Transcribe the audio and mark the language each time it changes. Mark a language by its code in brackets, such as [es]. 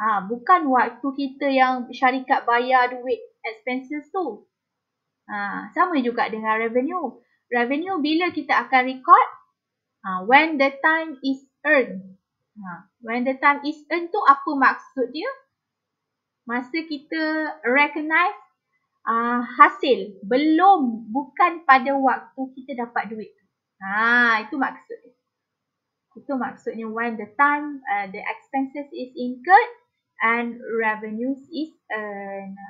[ms] Bukan waktu kita yang syarikat bayar duit expenses tu. Sama juga dengan revenue. Revenue bila kita akan record? [en] When the time is earned. When the time is earned tu apa maksud dia? [ms] Masa kita recognize hasil. Belum, bukan pada waktu kita dapat duit. Itu maksudnya. [en] Itu maksudnya when the time the expenses is incurred and revenues is earned.